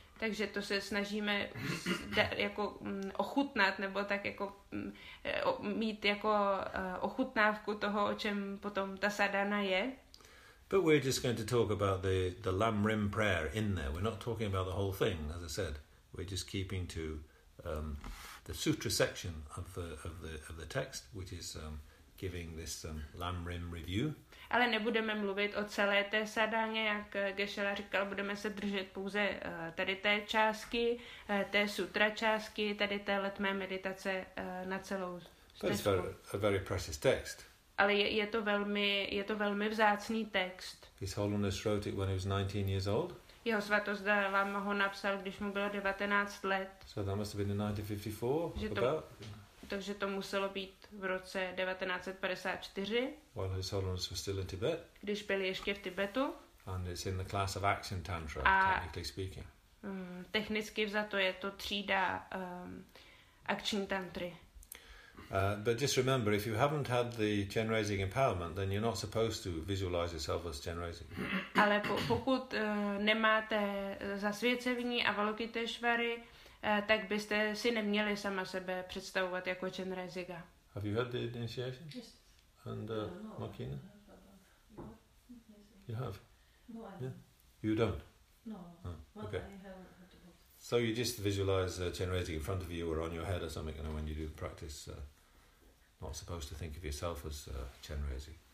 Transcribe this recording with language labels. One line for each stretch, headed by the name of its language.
Czech: Takže to se snažíme jako ochutnat nebo tak jako mít jako ochutnávku toho, o čem potom ta sadhana je.
English: But we're just going to talk about the Lam Rim prayer in there. We're not talking about the whole thing, as I said. We're just keeping to the sutra section of the text, which is giving this Lam Rim review.
Czech: Ale nebudeme mluvit o celé té sadáně, jak Geshe-la říkal, budeme se držet pouze tady té částky, té sutra částky, tady té letmé meditace na celou stezku.
English: But it's a very precious text.
Czech: Ale je to velmi vzácný text.
English: His Holiness wrote it when he was 19 years old.
Czech: Jeho svatost Lama ho napsal, když mu bylo 19 let.
English: So that must have been in 1954.
Czech: Takže to muselo být v roce 1954.
English: While His Holiness was still in Tibet.
Czech: Když byl ještě v Tibetu.
English: And it's in the class of Action Tantra, technically speaking.
Czech: Technicky vzato je to třída akční tantry.
English: But just remember, if you haven't had the Chenrezig empowerment, then you're not supposed to visualize yourself as Chenrezig.
Czech: Ale pokud nemáte zasvěcení Avalokiteshvary, tak byste si neměli sama sebe představovat jako Chenreziga.
English: Have you had the initiation? Yes. And no. Makina? No. You have? No, I yeah? You don't? No. Oh, okay. Well, I haven't. So you just visualize generating in front of you or on your head or something, and when you do the practice, not supposed to think of yourself as generating.